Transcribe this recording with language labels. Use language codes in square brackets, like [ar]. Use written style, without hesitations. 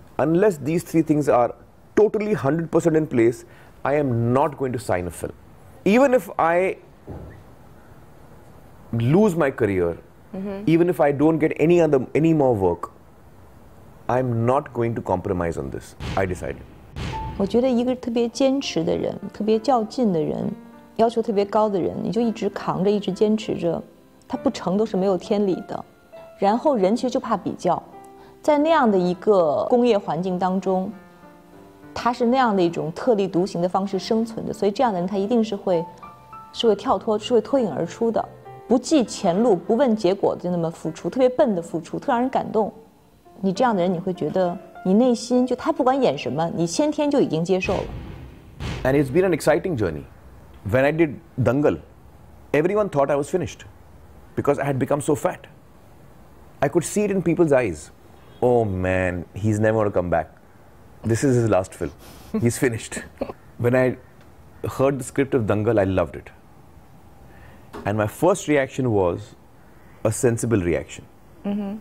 [en] Unless these 3 things are totally 100% in place, I am not going to sign a film. Even if I lose my career, mm-hmm. even if I don't get any more work, I'm not going to compromise on this. I decided. [zh] 我觉得一个特别坚持的人，特别较劲的人，要求特别高的人，你就一直扛着，一直坚持着，他不成都是没有天理的。然后人其实就怕比较，在那样的一个工业环境当中，他是那样的一种特立独行的方式生存的，所以这样的人他一定是会跳脱，是会脱颖而出的。不计前路，不问结果，就那么付出，特别笨的付出，特让人感动。你这样的人，你会觉得你内心就他不管演什么，你先天就已经接受了。 [en] And it's been an exciting journey. When I did Dangal, everyone thought I was finished because I had become so fat. I could see it in people's eyes. Oh man, he's never going to come back. This is his last film. He's finished. When I heard the script of Dangal, I loved it. And my first reaction was a sensible reaction, mm-hmm.